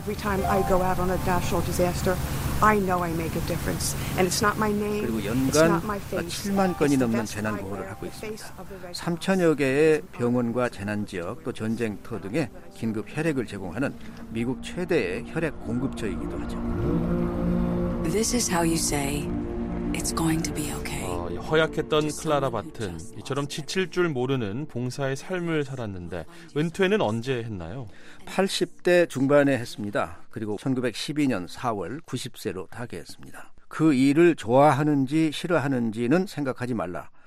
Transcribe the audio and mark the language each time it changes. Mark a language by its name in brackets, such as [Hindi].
[English] Every time I go out on a dash or disaster, I know I make a difference. And it's not my name. [Korean] 그리고 연간 7만 건이 넘는 재난 구호를 하고 있습니다. 3천여 개의 병원과 재난 지역, 또 전쟁터 등에 긴급 혈액을 제공하는 미국 최대의 혈액 공급처이기도 하죠. [English] This is how you say it's going to be okay. [Korean] 허약했던 클라라 바튼, 이처럼 지칠 줄 모르는 봉사의 삶을 살았는데 은퇴는 언제 했나요? 80대 중반에 했습니다. 그리고 1912년 4월 90세로 타계했습니다. 그 일을 좋아하는지 싫어하는지는 생각하지 말라.